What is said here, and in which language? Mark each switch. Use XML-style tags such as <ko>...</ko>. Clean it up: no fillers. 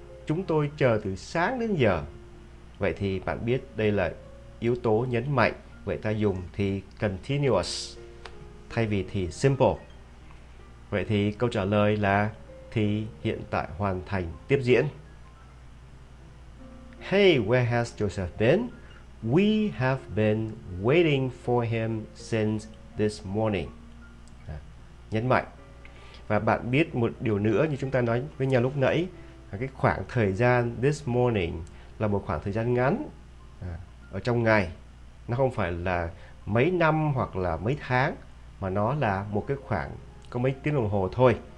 <vi>Chúng tôi chờ từ sáng đến giờ. Vậy thì bạn biết đây là yếu tố nhấn mạnh. Vậy ta dùng thì continuous thay vì thì simple. Vậy thì câu trả lời là thì hiện tại hoàn thành tiếp diễn.</vi> <en>Hey, where has Joseph been? We have been waiting for him since this morning.</en> <vi>Nhấn mạnh. Và bạn biết một điều nữa như chúng ta nói với nhau lúc nãy, cái khoảng thời gian this morning là một khoảng thời gian ngắn ở trong ngày. Nó không phải là mấy năm hoặc là mấy tháng, mà nó là một cái khoảng có mấy tiếng đồng hồ thôi.</vi>